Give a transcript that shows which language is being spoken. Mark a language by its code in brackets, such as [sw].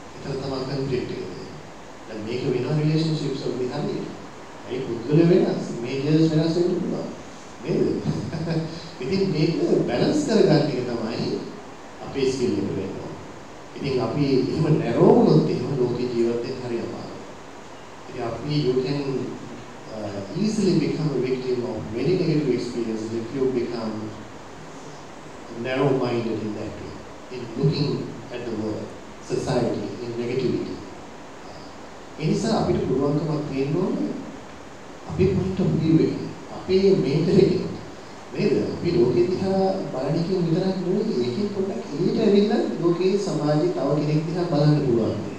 [si] එතන තමයි කන්ෆ්ලික්ට් එක තියෙන්නේ. දැන් මේක වෙන රිලේෂන්ෂිප්ස් වල විතරයි. ඒ පුද්ගල වෙනස්, මේජර්ස් වෙනස් වෙන්න පුළුවන්. නේද? ඉතින් මේක බැලන්ස් කරගන්න එක තමයි අපේ ස්කිල් එක වෙන්නේ. ඉතින් අපි එහෙම නැරෝ වුණොත් එහෙම ලෝකේ ජීවත් වෙන්න හරි අමාරුයි. [en] ඉතින් අපි you can easily become a victim of many negative experiences if you become narrow minded in that way, in looking at the world, society, in negativity. [si] ඒ නිසා අපිට පුළුවන්කමක් තියෙනවානේ අපි point of view එක, අපේ mental එක නේද? අපි ලෝකෙ දිහා බලන එක විතරක් නෙවෙයි ඒකෙත් පොඩ්ඩක් එහෙට ඇවිල්ලා ලෝකේ සමාජයේ තව කෙනෙක් දිහා බලන්න පුළුවන්.